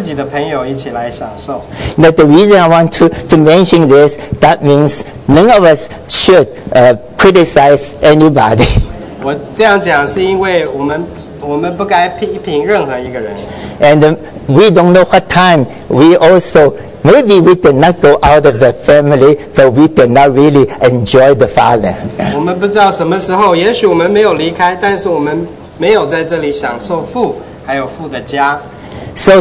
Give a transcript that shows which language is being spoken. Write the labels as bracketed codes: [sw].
[zh] 他既不享受父，也没有享受到父的丰富，他反而是希望有些东西和他自己的朋友一起来享受。 [en] Now the reason I want to mention this, that means none of us should criticize anybody. [zh] 我这样讲是因为我们不该批评任何一个人。 [en] And we don't know what time we also maybe we did not go out of the family, but we did not really enjoy the father. [zh] 我们不知道什么时候，也许我们没有离开，但是我们没有在这里享受父，还有父的家。 [en] So